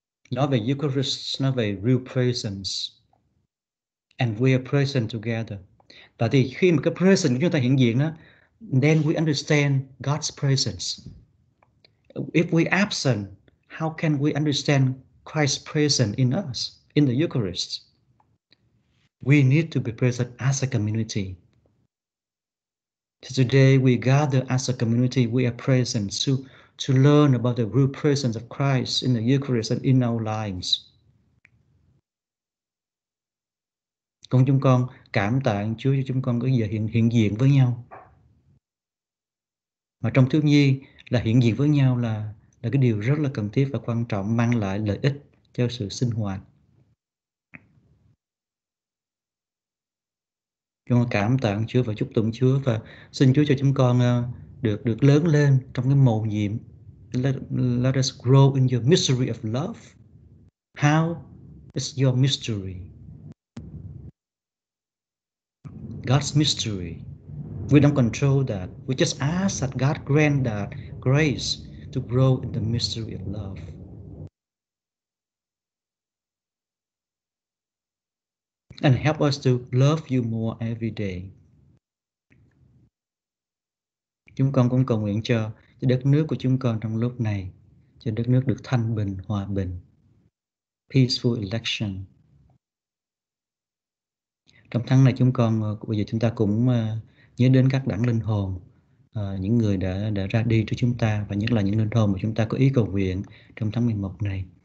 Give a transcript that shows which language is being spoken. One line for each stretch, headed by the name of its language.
Vietnamese: Nói về
English: Eucharist,
Vietnamese: nói về
English: real presence. And we are present together.
Vietnamese: Và thì khi mà cái presence của chúng ta hiện diện đó,
English: then we understand God's presence. If we absent, how can we understand Christ's presence in us, in the Eucharist? We need to be present as a community. Today we gather as a community, we are present to learn about the real presence of Christ in the Eucharist and in our lives.
Vietnamese: Con chúng con cảm tạ Chúa cho chúng con có giờ hiện diện với nhau. Mà trong thiếu nhi là hiện diện với nhau là cái điều rất là cần thiết và quan trọng, mang lại lợi ích cho sự sinh hoạt. Chúng con cảm tạ Chúa và chúc tụng Chúa và xin Chúa cho chúng con được được lớn lên trong cái mầu nhiệm.
English: Let us grow in your mystery of love. How is your mystery? God's mystery. We don't control that. We just ask that God grant that grace to grow in the mystery of love. And help us to love you more every day.
Vietnamese: Chúng con cũng cầu nguyện cho đất nước của chúng con trong lúc này, cho đất nước được thanh bình, hòa bình,
English: peaceful election.
Vietnamese: Trong tháng này chúng con, bây giờ chúng ta cũng nhớ đến các đấng linh hồn, những người đã ra đi cho chúng ta, và nhất là những linh hồn mà chúng ta có ý cầu nguyện trong tháng 11 này.